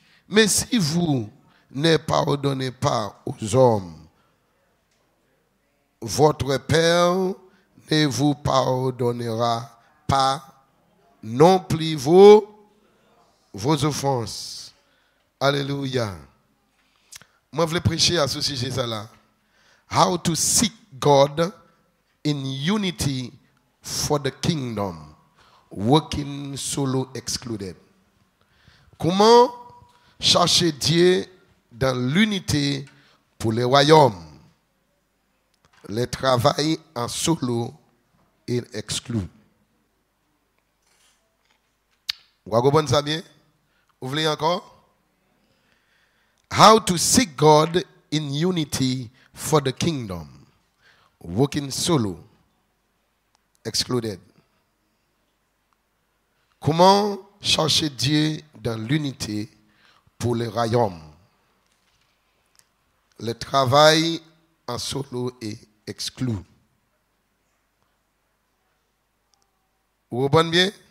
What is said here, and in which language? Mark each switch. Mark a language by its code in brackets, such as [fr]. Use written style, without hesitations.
[fr] Mais si vous ne pardonnez pas aux hommes, votre Père ne vous pardonnera pas non plus vos offenses. Alléluia. Moi, je voulais prêcher à ce sujet-là. [en] How to seek God in unity for the kingdom, working solo excluded. [fr] Comment chercher Dieu dans l'unité pour le royaume? Le travail en solo est exclu. Vous voulez bien? Vous voulez encore? [en] How to seek God in unity for the kingdom, working solo, excluded. [fr] Comment chercher Dieu dans l'unité pour le royaume? Le travail en solo est exclu. Vous comprenez bien?